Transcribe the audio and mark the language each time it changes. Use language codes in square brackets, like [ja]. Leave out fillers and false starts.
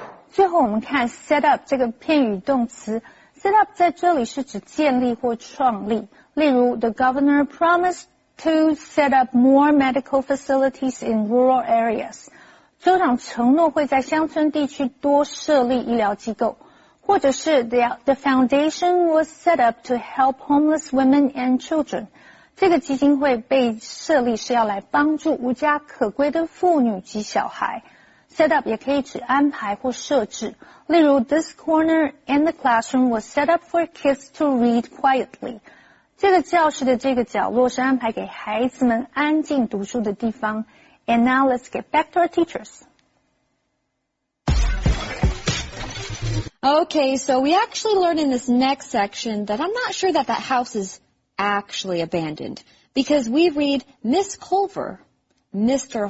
[zh] 最后我们看 set up 这个片语动词Set up 在这里是指建立或创立。例如 [en] ,the governor promised to set up more medical facilities in rural areas. [zh] 州长承诺会在乡村地区多设立医疗机构。或者是 [en] ,the foundation was set up to help homeless women and children. [zh] 这个基金会被设立是要来帮助无家可归的妇女及小孩。 Set up 也可以指安排或设置。例如 [en] ,this corner in the classroom was set up for kids to read quietly. [zh] 这个教室的这个角落是安排给孩子们安静读书的地方。 [en] And now let's get back to our teachers. Okay, so we actually learned in this next section that I'm not sure that house is actually abandoned. because we read Miss Culver, Mr.